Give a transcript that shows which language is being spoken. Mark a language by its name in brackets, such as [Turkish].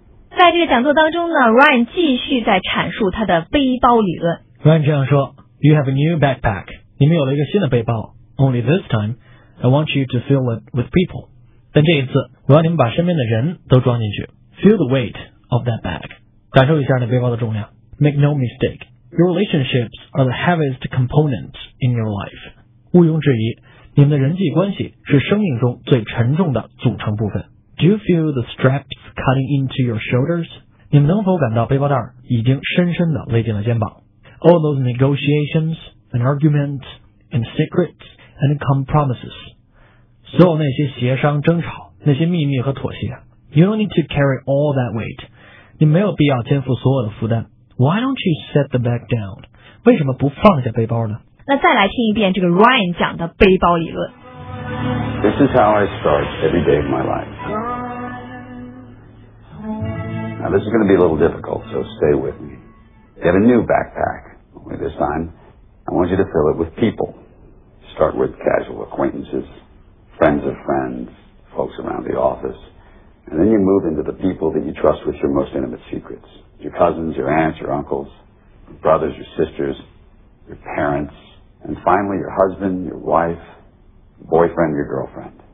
[Chinese] 在这个讲座当中呢 ,Ryan 继续在阐述他的背包理论。 [English] Ryan [Chinese] 这样说 [English] ,You have a new backpack. [Chinese] 你们有了一个新的背包。 [English] Only this time, I want you to fill it with people. [Chinese] 但这一次我要你们把身边的人都装进去 [English] Feel the weight of that bag [Chinese] 感受一下那背包的重量 [English] Make no mistake Your relationships are the heaviest components in your life [Chinese] 毋庸置疑你们的人际关系是生命中最沉重的组成部分 [English] Do you feel the straps cutting into your shoulders? [Chinese] 你们能否感到背包带已经深深地勒进了肩膀 [English] All those negotiations and arguments and secrets and compromises [Chinese] 所有那些协商争吵那些秘密和妥协 [English] You don't need to carry all that weight [Chinese] 你没有必要肩负所有的负担 [English] Why don't you set the bag down [Chinese] 为什么不放下背包呢那再来听一遍这个 Ryan 讲的背包理论 [English] This is how I start every day of my life Now this is going to be a little difficult so stay with me Get a new backpack Only this time I want you to fill it with people Start with casual acquaintancesfriends of friends, folks around the office, and then you move into the people that you trust with your most intimate secrets, your cousins, your aunts, your uncles, your brothers, your sisters, your parents, and finally your husband, your wife, boyfriend, your girlfriend.